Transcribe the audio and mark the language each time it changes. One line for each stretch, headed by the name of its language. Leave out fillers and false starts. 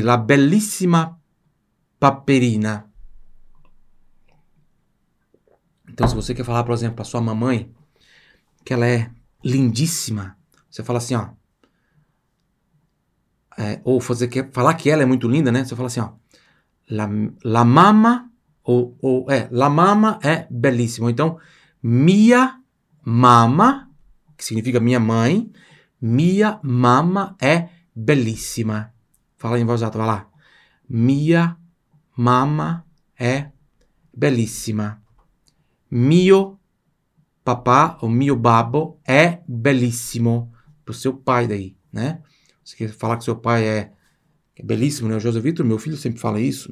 Italian: La bellissima Paperina.
Portuguese: Então, se você quer falar, por exemplo, para sua mamãe que ela é lindíssima, você fala assim, ó. Ou você quer falar que ela é muito linda, né? Você fala assim, ó.
Italian: La mamma, la mamma è bellissima.
Portuguese: Então, mia mamma, que significa minha mãe,
Italian: mia mamma è bellissima.
Portuguese: Fala em voz alta, vai lá.
Italian: Mia mamma è bellissima. Mio papà o mio babbo è bellissimo.
Portuguese: Pro seu pai daí, né? Você quer falar que seu pai é belíssimo, né? O José Vitor, meu filho sempre fala isso.